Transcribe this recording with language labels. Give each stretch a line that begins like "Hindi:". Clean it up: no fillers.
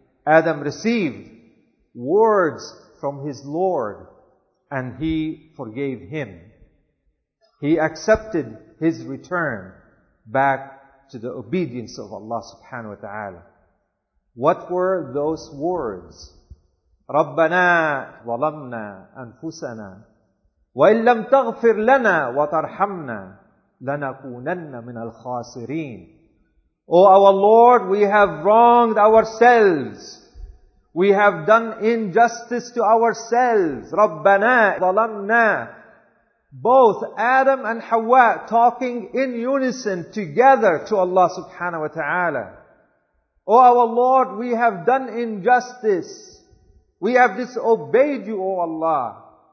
English: Adam received words from his Lord and he forgave him. He accepted his return back to the obedience of Allah subhanahu wa ta'ala. What were those words?
Arabic: ربنا ظلمنا أنفسنا وإن لم تغفر لنا وترحمنا لَنَكُونَنَّ مِنَ الْخَاسِرِينَ
English: O our Lord, we have wronged ourselves. We have done injustice to ourselves.
Arabic: رَبَّنَا ظَلَمْنَا
English: Both Adam and Hawa talking in unison together to Allah subhanahu wa ta'ala. O our Lord, we have done injustice. We have disobeyed you, O Allah.